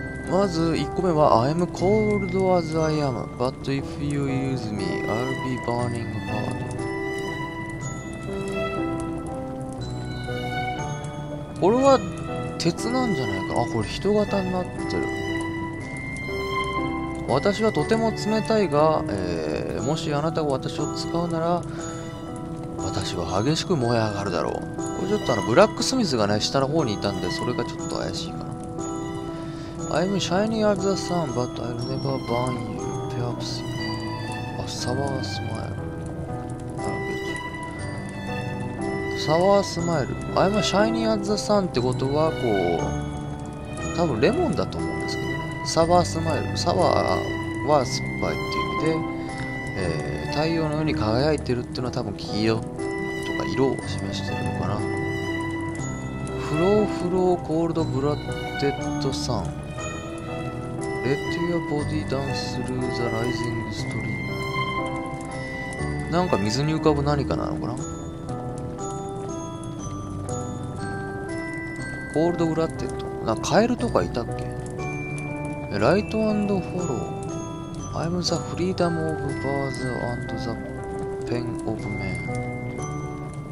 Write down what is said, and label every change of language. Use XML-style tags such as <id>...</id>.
<ja>まず1個目は</ja> <en>I'm cold as I am, but if you use me, I'll be burning hard。</en> <ja>これは鉄なんじゃないか。あ、これ人型になってる。私はとても冷たいが、もしあなたが私を使うなら私は激しく燃え上がるだろう。これちょっとブラックスミスがね、下の方にいたんで、それがちょっと怪しいかな。</ja> <en>I'm shiny as the sun, but I'll never burn you. Perhaps a sour smile. サワースマイル。</en> <ja>あれはシャイニーアッザさんってことは、こう、多分レモンだと思うんですけど、ね、サワースマイル。サワーは酸っぱいっていう意味で、太陽のように輝いてるっていうのは多分黄色とか色を示してるのかな。</ja> <en>フローフローコールドブラッテッドさん。レッドユアボディダンススルーザライジングストリーム。</en> <ja>なんか水に浮かぶ何かなのかな。コールドブラッテッド。なんかカエルとかいたっけ。</ja> <en>ライト&フォロー。 I'm the freedom of birds and the pen of men。</en>